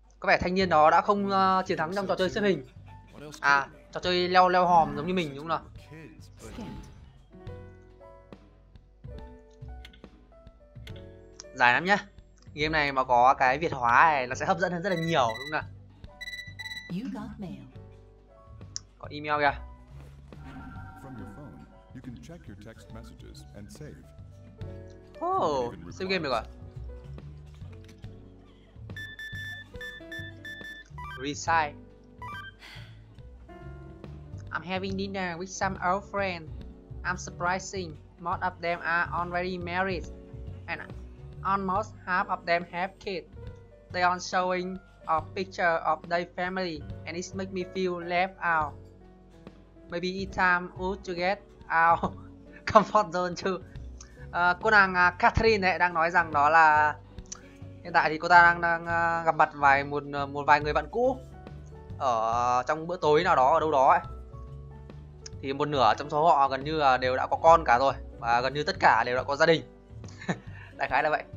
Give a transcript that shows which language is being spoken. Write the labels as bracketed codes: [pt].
[vi] Có vẻ thanh niên đó đã không chiến thắng trong trò chơi xếp hình. À, trò chơi leo hòm giống như mình đúng không nào? Dài lắm nhá. Game này mà có cái Việt hóa này nó sẽ hấp dẫn hơn rất là nhiều đúng không nào? Có email kìa. [en] From your phone, you can check your text messages and save. [vi] Oh, save game được rồi. [en] Resign. I'm having dinner with some old friends. I'm surprising. Most of them are already married, and almost half of them have kids. They are showing a picture of their family and it makes me feel left out. Maybe it's time to get out comfort zone too. [vi] Cô nàng Catherine này đang nói rằng đó là hiện tại thì cô ta đang gặp mặt một vài người bạn cũ ở trong bữa tối nào đó ở đâu đó ấy. Thì một nửa trong số họ gần như đều đã có con cả rồi và gần như tất cả đều đã có gia đình. Đại khái là vậy.